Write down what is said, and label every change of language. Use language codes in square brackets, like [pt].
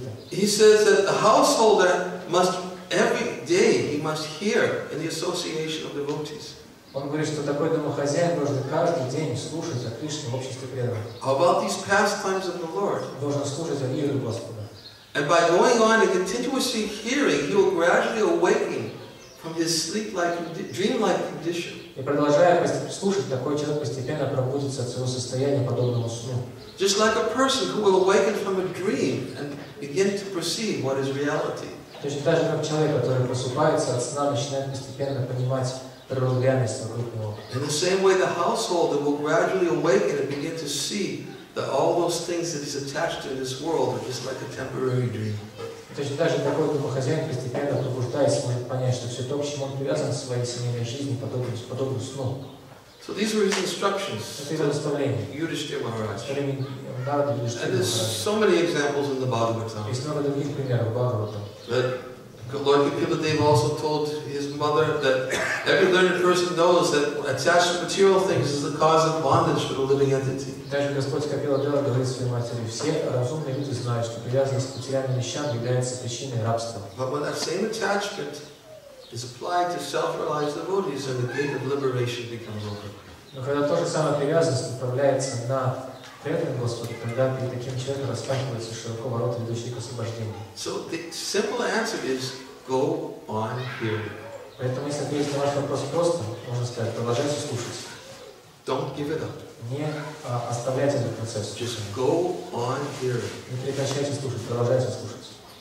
[en] He says that the householder must every day he must hear in the association of devotees. [ru] Он говорит, что такой домохозяин должен каждый день слушать о Кришне в обществе преданных. [en] About these pastimes of the Lord. [ru] Должен слушать о игре Господа. [en] And by going on and continuously hearing, he will gradually awaken from his sleep-like, dream-like condition. [ru] И продолжая слушать, такой человек постепенно пробудится от своего состояния подобного сну. [en] Just like a person who will awaken from a dream and begin to perceive what is reality. [ru] Точно так же, как человек, который просыпается от сна, начинает постепенно понимать природу реальности вокруг него. [en] In the same way, the householder will gradually awaken and begin to see that all those things that he's attached to in this world are just like a temporary dream. [ru] Точно так же, такой домохозяин постепенно пробуждается, может понять, что все то, к чему он привязан в своей семейной жизни, подобно сну. [en] So these were his instructions to Yudhishthira Maharaj. And there's so many examples in the Bhagavatam. But Lord Kapila Dev also told his mother that every learned person knows that attached to material things is the cause of bondage for the living entity. [ru] Даже Господь Капила Дева говорит своей матери, все разумные люди знают, что привязанность к материальным вещам является причиной рабства. [en] But when that same attachment is applied to self-realized devotees, and the gate of liberation becomes open. [ru] Но когда то же самое привязанность направляется на преданного Господа, тогда перед таким человеком распахивается широко ворота, ведущие к освобождению. [en] So the simple answer is go on hearing. [ru] Поэтому если ответить на ваш вопрос просто, можно сказать, продолжайте слушать. [en] Don't give it up. [ru] Не оставляйте этот процесс. [en] Just go on hearing. [ru] Не прекращайте слушать, продолжайте слушать.